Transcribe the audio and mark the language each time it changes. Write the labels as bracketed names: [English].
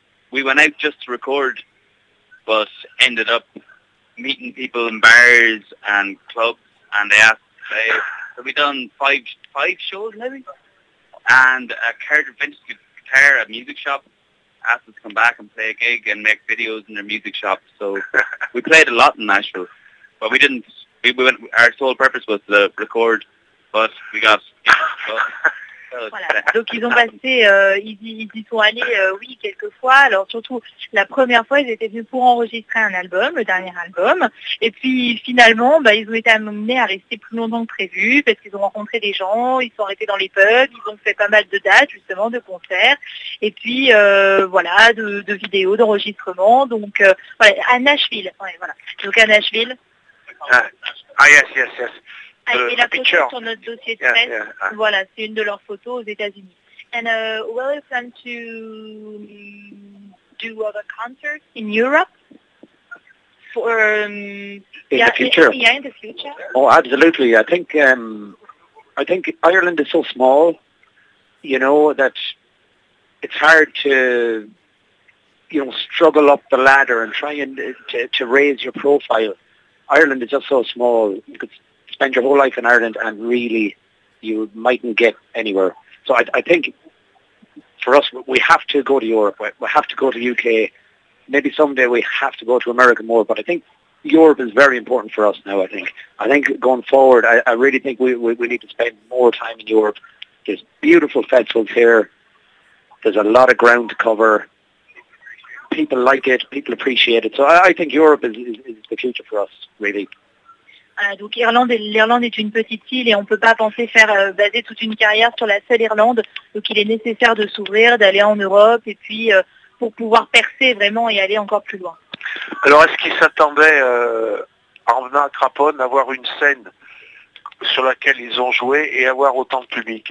[English] we went out just to record, but ended up meeting people in bars and clubs, and they asked, have we done five shows maybe? And a Carter Vintage Guitar, a music shop, asked us to come back and play a gig and make videos in their music shop. So we played a lot in Nashville, but we went, our sole purpose was to record, but we got... [French] Voilà. Donc ils ont passé, ils y sont allés, oui, quelques fois. Alors surtout la première fois, ils étaient venus pour enregistrer un album, le dernier album. Et puis finalement, bah, ils ont été amenés à rester plus longtemps que prévu parce qu'ils ont rencontré des gens, ils sont arrêtés dans les pubs, ils ont fait pas mal de dates justement, de concerts. Et puis voilà, de vidéos, d'enregistrements. Donc voilà, à Nashville. Ouais, voilà. Donc à Nashville. [English] Yes. [French] Voilà, c'est une de leurs photos aux États-Unis. [English] And will you plan to do other concerts in Europe for in the future? Oh, absolutely. I think Ireland is so small, you know, that it's hard to, you know, struggle up the ladder and try and to raise your profile. Ireland is just so small. Spend your whole life in Ireland and really you mightn't get anywhere. So I think for us, we have to go to Europe. We have to go to UK. Maybe someday we have to go to America more. But I think Europe is very important for us now, I think. I think going forward, I really think we need to spend more time in Europe. There's beautiful festivals here. There's a lot of ground to cover. People like it. People appreciate it. So I think Europe is the future for us, really. [French] Donc l'Irlande est une petite île et on ne peut pas penser faire baser toute une carrière sur la seule Irlande. Donc il est nécessaire de s'ouvrir, d'aller en Europe et puis pour pouvoir percer vraiment et aller encore plus loin. Alors est-ce qu'ils s'attendaient en venant à Craponne à avoir une scène sur laquelle ils ont joué et avoir autant de public?